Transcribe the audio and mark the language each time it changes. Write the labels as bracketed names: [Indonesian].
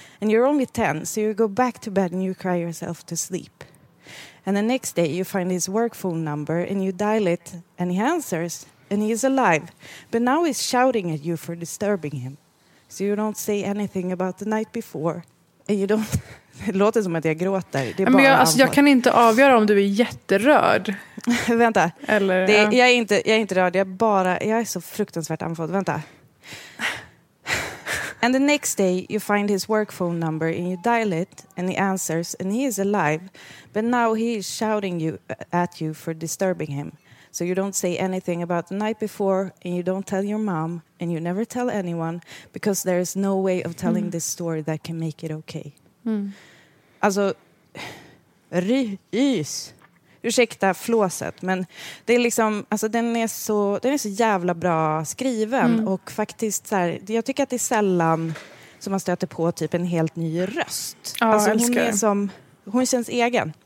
[English] And you're only 10, so you go back to bed and you cry yourself to sleep. And the next day you find his work phone number and you dial it and he answers. And he is alive, but now he's shouting at you for disturbing him. So you don't say anything about the night before. And you don't... [Swedish] Det låter som att jag gråter. Det är men bara jag kan inte avgöra om du är jätterörd. Vänta. Eller, det är, ja. Jag är inte rörd. Jag är så fruktansvärt andfådd. Vänta. [English] And the next day you find his work phone number and you dial it and he answers and he is alive. But now he is shouting at you for disturbing him. So you don't say anything about the night before and you don't tell your mom and you never tell anyone because there is no way of telling this story that can make it okay. Mm. [Swedish] Alltså, rys. Ursäkta flåset, men det är liksom, alltså den är så jävla bra skriven och faktiskt så här, jag tycker att det är sällan som man stöter på typ en helt ny röst. Ja, alltså, älskar. Hon känns egen.